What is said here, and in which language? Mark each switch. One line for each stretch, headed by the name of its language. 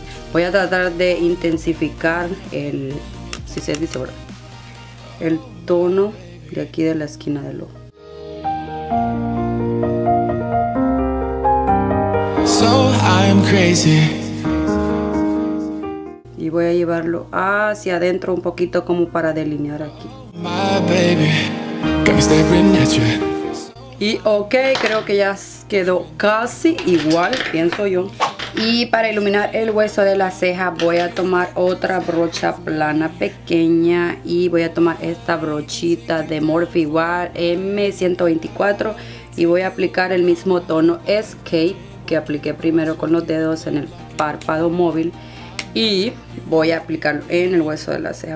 Spanish: Voy a tratar de intensificar el, si se dice, ¿verdad?, el tono de aquí de la esquina del ojo.
English: So I'm crazy.
Spanish: Y voy a llevarlo hacia adentro un poquito como para delinear aquí.
English: My baby, got me staring at you.
Spanish: Y ok, creo que ya quedó casi igual, pienso yo. Y para iluminar el hueso de la ceja voy a tomar otra brocha plana pequeña y voy a tomar esta brochita de Morphe War M124 y voy a aplicar el mismo tono Escape que apliqué primero con los dedos en el párpado móvil y voy a aplicarlo en el hueso de la ceja.